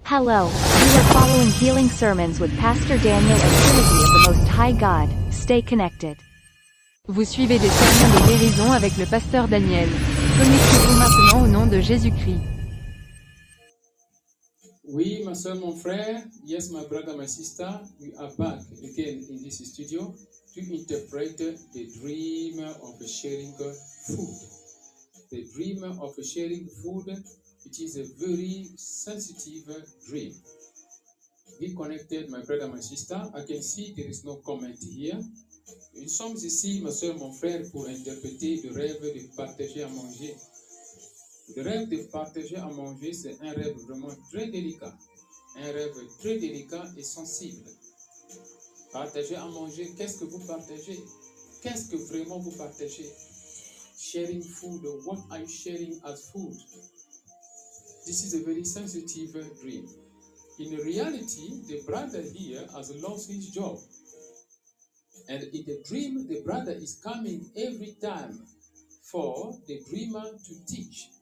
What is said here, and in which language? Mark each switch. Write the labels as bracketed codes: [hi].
[en] Hello, you are following Healing Sermons with Pastor Daniel of Trinity of the Most High God. Stay connected. [fr] Vous suivez des sermons de guérison avec le pasteur Daniel. Connectez-vous maintenant au nom de Jésus-Christ. Oui, ma soeur, mon frère. [en] Yes, my brother, my sister. We are back again in this studio to interpret the dream of sharing food. The dream of sharing food, which is a very sensitive dream. Be connected, my brother, my sister. I can see there is no comment here. [fr] Nous sommes ici, ma soeur, mon frère, pour interpréter le rêve de partager à manger. Le rêve de partager à manger, c'est un rêve vraiment très délicat. Un rêve très délicat et sensible. Partager à manger, qu'est-ce que vous partagez? Qu'est-ce que vraiment vous partagez? [en] Sharing food, what are you sharing as food? This is a very sensitive dream. In reality, the brother here has lost his job. And in the dream, the brother is coming every time for the dreamer to teach.